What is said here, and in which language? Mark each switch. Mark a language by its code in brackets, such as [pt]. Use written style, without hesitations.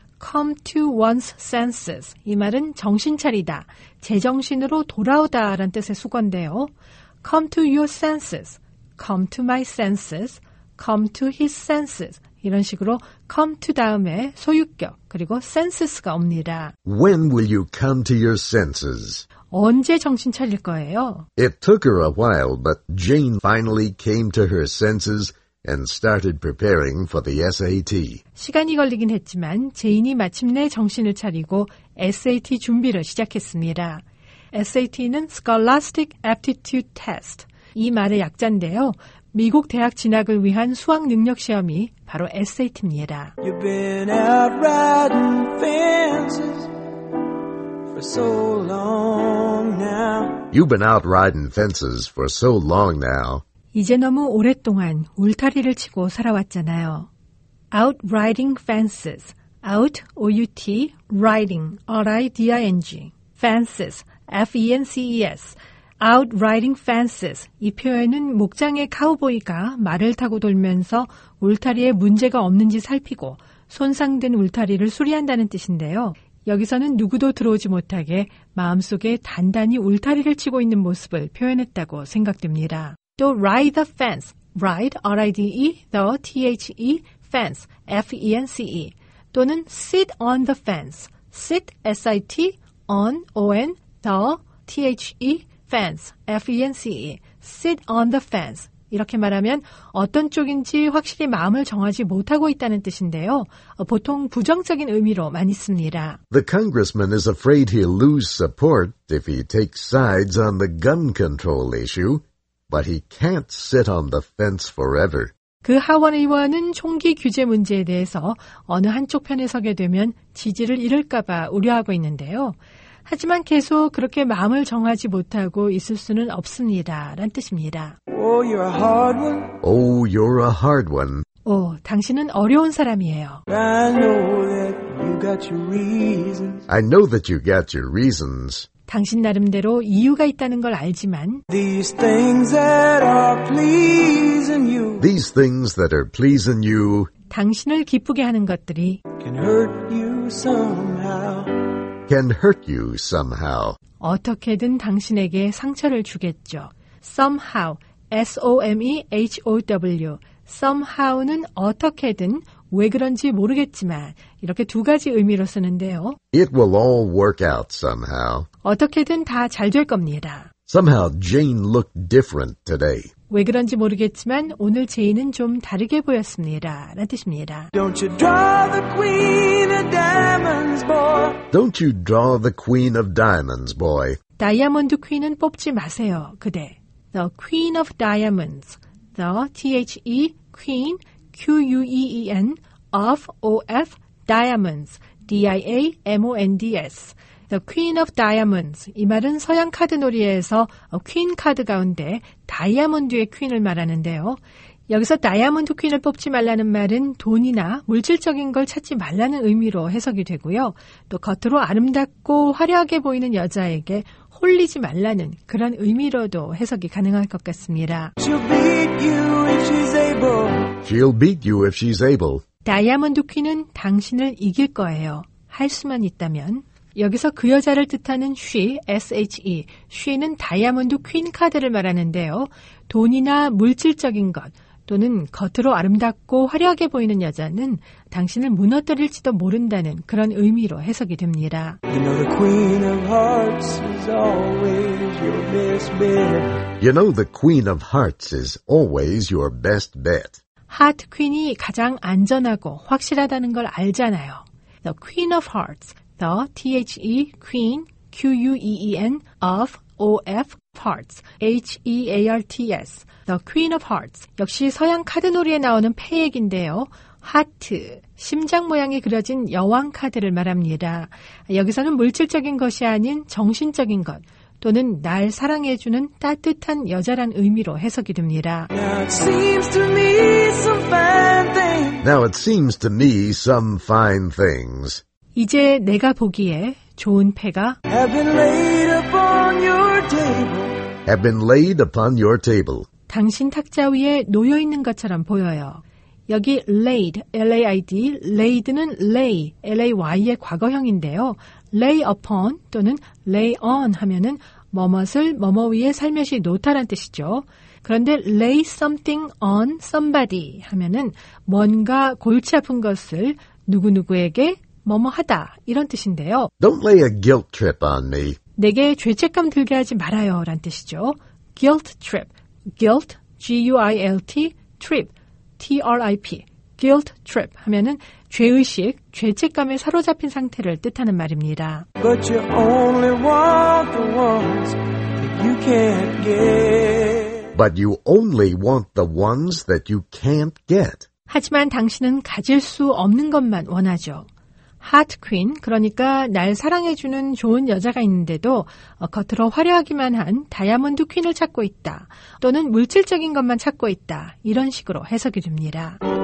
[en] Come to one's senses. [ko] 이 말은 정신 차리다, 제정신으로 돌아오다 라는 뜻의 숙어인데요. [en] Come to your senses. Come to my senses. Come to his senses. [ko] 이런 식으로 come to 다음에 소유격 그리고 senses가 옵니다. [en] When will you come to your senses? [ko] 언제 정신 차릴 거예요? [en] It took her a while, but Jane finally came to her senses and started preparing for the SAT. [ko] 시간이 걸리긴 했지만 제인이 마침내 정신을 차리고 SAT 준비를 시작했습니다. SAT는 [en] Scholastic Aptitude Test. [ko] 이 말의 약자인데요. 미국 대학 진학을 위한 수학 능력 시험이 바로 SAT입니다. [en] You've been out riding fences for so long now. You've been out riding fences for so long now. [ko] 이제 너무 오랫동안 울타리를 치고 살아왔잖아요. [en] Out riding fences. Out, O-U-T, riding, R-I-D-I-N-G. Fences, F-E-N-C-E-S. Out riding fences. [ko] 이 표현은 목장의 카우보이가 말을 타고 돌면서 울타리에 문제가 없는지 살피고 손상된 울타리를 수리한다는 뜻인데요. 여기서는 누구도 들어오지 못하게 마음속에 단단히 울타리를 치고 있는 모습을 표현했다고 생각됩니다. [en] 또 ride the fence. Ride, R-I-D-E, the, T-H-E, fence, F-E-N-C-E. 또는 sit on the fence. Sit, S-I-T, on, O-N, the, T-H-E, fence, F-E-N-C-E, sit on the fence. [ko] 이렇게 말하면 어떤 쪽인지 확실히 마음을 정하지 못하고 있다는 뜻인데요. 보통 부정적인 의미로 많이 씁니다. [en] The congressman is afraid he'll lose support if he takes sides on the gun control issue, but he can't sit on the fence forever. [ko] 그 하원 의원은 총기 규제 문제에 대해서 어느 한쪽 편에 서게 되면 지지를 잃을까 봐 우려하고 있는데요. 하지만 계속 그렇게 마음을 정하지 못하고 있을 수는 없습니다. 라는 뜻입니다. [en] Oh, you're a hard one. Oh, you're a hard one. [ko] 오, 당신은 어려운 사람이에요. [en] I know that you got your reasons. I know that you got your reasons. [ko] 당신 나름대로 이유가 있다는 걸 알지만 [en] These things that are pleasing you. These things that are pleasing you. [ko] 당신을 기쁘게 하는 것들이 [en] can hurt you somehow. Can hurt you somehow. [ko] 어떻게든 당신에게 상처를 주겠죠. [en] Somehow, S-O-M-E-H-O-W. [ko] Somehow는 어떻게든 왜 그런지 모르겠지만 이렇게 두 가지 의미로 쓰는데요. [en] It will all work out somehow. [ko] 어떻게든 다 잘 될 겁니다. [en] Somehow Jane looked different today. [ko] 왜 그런지 모르겠지만 오늘 제인은 좀 다르게 보였습니다. 라는 뜻입니다. [en] Don't you draw the queen of diamonds, boy. Don't you draw the queen of diamonds, boy. [ko] 다이아몬드 퀸은 뽑지 마세요, 그대. [en] The Queen of Diamonds. The T-H-E Queen, Q-U-E-E-N, of, O-F, Diamonds, D-I-A-M-O-N-D-S. The Queen of Diamonds. [ko] 이 말은 서양 카드놀이에서 퀸 카드 가운데 다이아몬드의 퀸을 말하는데요. 여기서 다이아몬드 퀸을 뽑지 말라는 말은 돈이나 물질적인 걸 찾지 말라는 의미로 해석이 되고요. 또 겉으로 아름답고 화려하게 보이는 여자에게 홀리지 말라는 그런 의미로도 해석이 가능할 것 같습니다. [en] She'll beat you if she's able. She'll beat you if she's able. [ko] 다이아몬드 퀸은 당신을 이길 거예요. 할 수만 있다면. 여기서 그 여자를 뜻하는 she, S-H-E, she는 다이아몬드 퀸 카드를 말하는데요. 돈이나 물질적인 것 또는 겉으로 아름답고 화려하게 보이는 여자는 당신을 무너뜨릴지도 모른다는 그런 의미로 해석이 됩니다. [en] You know the queen of hearts is always your best bet. You know the queen of hearts is always your best bet. [ko] 하트 퀸이 가장 안전하고 확실하다는 걸 알잖아요. [en] The queen of hearts. The T-H-E Queen, Q-U-E-E-N, of, O-F, Hearts, H-E-A-R-T-S, The Queen of Hearts. [ko] 역시 서양 카드놀이에 나오는 패액인데요. 하트, 심장 모양이 그려진 여왕 카드를 말합니다. 여기서는 물질적인 것이 아닌 정신적인 것, 또는 날 사랑해주는 따뜻한 여자란 의미로 해석이 됩니다. [en] Now it seems to me some fine things. Now it seems to me some fine things. [ko] 이제 내가 보기에 좋은 패가 [en] have been laid upon your table. Have been laid upon your table. [ko] 당신 탁자 위에 놓여 있는 것처럼 보여요. 여기 laid, L-A-I-D, laid는 lay, L-A-Y의 과거형인데요. lay upon 또는 lay on 하면은 뭐뭇을 뭐뭇 위에 살며시 놓다란 뜻이죠. 그런데 [en] lay something on somebody [ko] 하면은 뭔가 골치 아픈 것을 누구누구에게 뭐뭐하다 이런 뜻인데요. [en] Don't lay a guilt trip on me. [ko] 내게 죄책감 들게 하지 말아요 라는 뜻이죠. [en] Guilt trip. Guilt, G-U-I-L-T, trip, T-R-I-P. [ko] Guilt trip 하면은 죄의식, 죄책감에 사로잡힌 상태를 뜻하는 말입니다. [en] But you only want the ones that you can't get. But you only want the ones that you can't get. [ko] 하지만 당신은 가질 수 없는 것만 원하죠. 하트 퀸, 그러니까 날 사랑해주는 좋은 여자가 있는데도 겉으로 화려하기만 한 다이아몬드 퀸을 찾고 있다. 또는 물질적인 것만 찾고 있다. 이런 식으로 해석이 됩니다.